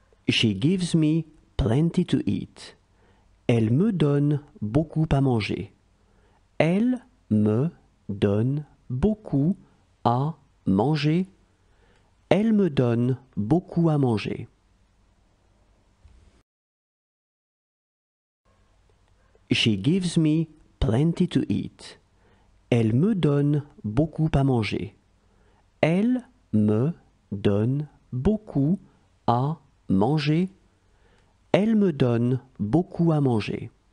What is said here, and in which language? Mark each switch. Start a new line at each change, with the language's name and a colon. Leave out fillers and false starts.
English: She gives me plenty to eat.
French: Elle me donne beaucoup à manger. Elle me donne beaucoup à manger. Elle me donne beaucoup à manger.
English: She gives me plenty to eat.
French: Elle me donne beaucoup à manger. Elle me donne beaucoup à manger. Elle me donne beaucoup à manger.